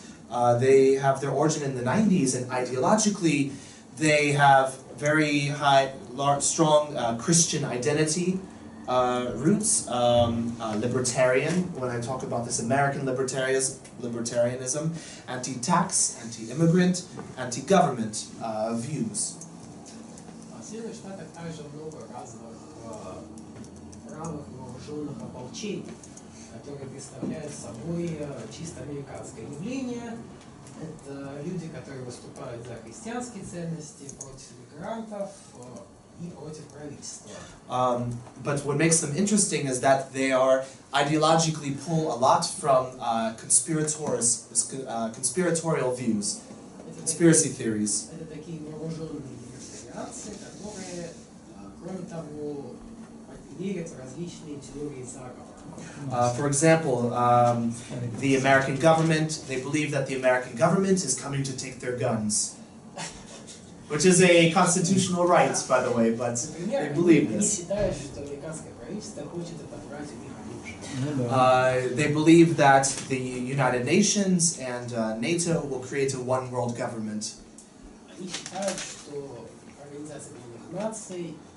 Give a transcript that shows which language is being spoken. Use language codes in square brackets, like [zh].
[en] They have their origin in the 90s, and ideologically, they have very high, large, strong Christian identity roots, libertarian, when I talk about this American libertarianism, anti-tax, anti-immigrant, anti-government views. [ru] В Соединенных Штатах также много разных правых вооруженных ополчений, которые представляют собой чисто американское явление. Это люди, которые выступают за христианские ценности, против мигрантов и против правительства. [en] But what makes them interesting is that they are ideologically pull a lot from conspiratorial views, conspiracy theories. [ru] Это такие вооруженные организации, кроме того, верят в различные теории заговора. [en] For example, the American government, they believe that the American government is coming to take their guns. Which is a constitutional right, by the way, but [ru] например, [en] they believe this. [ru] Они считают, что американское правительство хочет отобрать у них оружие. [en] They believe that the United Nations and NATO will create a one world government. [ru] Они считают, что организация